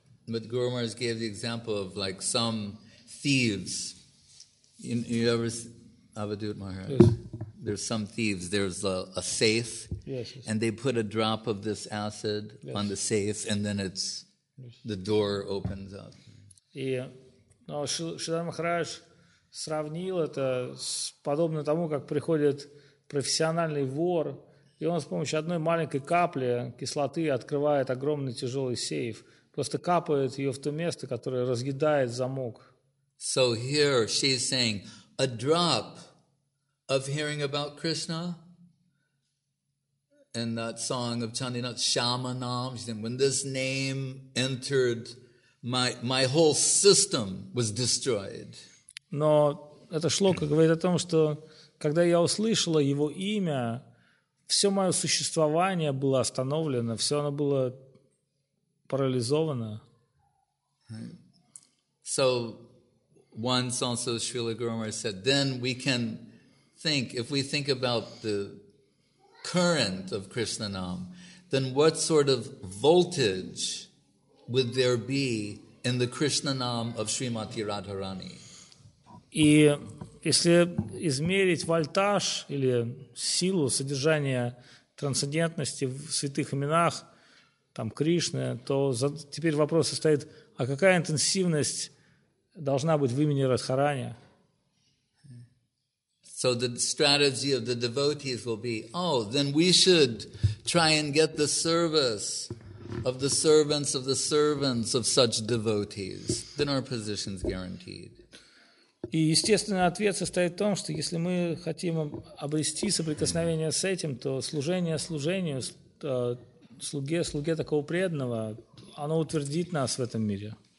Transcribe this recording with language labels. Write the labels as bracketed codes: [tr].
[en] But Guru Maharaj gave the example of like some thieves. You ever, Avadhut Maharaj? Yes. There's some thieves. There's a safe, yes, yes. And they put a drop of this acid, yes, on the safe, and then it's, yes, the door opens up. Yeah. [ru] Но Шридхар Махарадж сравнил это с подобно тому, как приходит профессиональный вор, и он с помощью одной маленькой капли кислоты открывает огромный тяжелый сейф, просто капает ее в то место, которое разъедает замок. [en] So here she's saying, a drop of hearing about Krishna in that song of Chandinath, Shamanam, she's saying, when this name entered My whole system was destroyed. [ru] Но эта шлока говорит о том, что когда я услышала его имя, все мое существование было остановлено, все оно было парализовано. [en] Right. So once also Srila Guru Maharaj said, then we can think, if we think about the current of Krishna Nam, then what sort of voltage would there be in the Krishna Nam of Srimati Radharani? [ru] И если измерить вольтаж или силу содержания трансцендентности в святых именах там Кришны, то теперь вопрос состоит, а какая интенсивность должна быть в имени Радхарани? [en] So the strategy of the devotees will be, oh, then we should try and get the service of the servants of the servants of such devotees, then our position is guaranteed. [ru] И естественный ответ состоит в том, что если мы хотим обрести соприкосновение с этим, то служение служению, слуге слуге такого преданного, оно утвердит нас в этом мире.